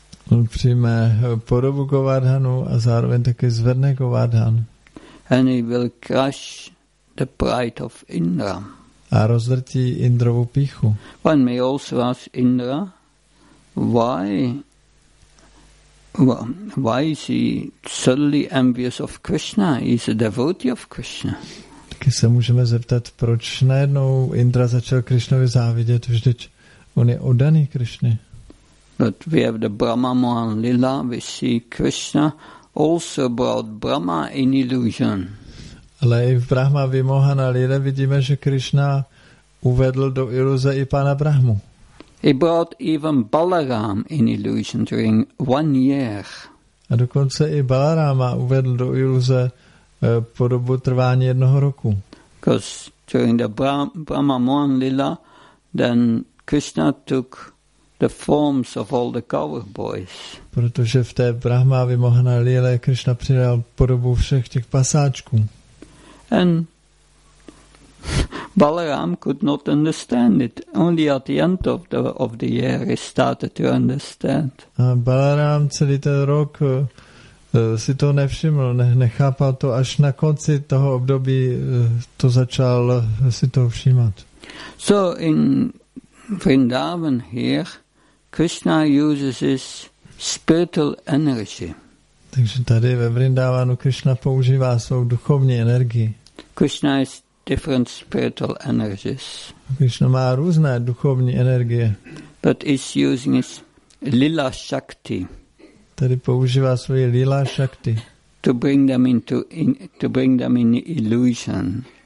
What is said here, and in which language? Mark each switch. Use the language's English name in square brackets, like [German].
[Czech] On přijme podobu Govardhanu a zároveň taky zvedne Govardhan. [English] And he will crush the pride of Indra. [Czech] A rozvrtí Indrovu píchu. [English] One may also ask Indra, why is he suddenly envious of Krishna? He's a devotee of Krishna. [Czech] Taky se můžeme zeptat, proč najednou Indra začal Krishnovi závidět, vždyť on je oddaný Krishně. [English] But we have the Brahma Mohan Lila, we see Krishna also brought Brahma in illusion. [Czech] Ale i v Brahma Vimohana Lila vidíme, že Krishna uvedl do iluze i pána Brahmu. [English] He brought even Balaram in illusion during one year. [Czech] A dokonce i Balarama uvedl do iluze po dobu trvání jednoho roku. [English] Because during the Brahma Mohan Lila, then Krishna took the forms of all the cowherd boys. [Czech] Protože v té Brahma Vimohana Lila Krishna přidal podobu všech těch pasáčků. [English] And Balaram could not understand it. Only at the end of the year he started to understand. [Czech] A Balaram celý ten rok si to nevšiml, nechápal to, až na konci toho období to začal si to všímat. [English] So in Vrindavan here, Krishna uses his spiritual energy. [Czech] Takže tady ve Vrindavanu Krishna používá svou duchovní energii. [English] Krishna has different spiritual energies. [Czech] Krishna má různé duchovní energie. [English] But is using his lila shakti. [Czech] Tady používá svoji lila shakti. [English] To bring them in illusion.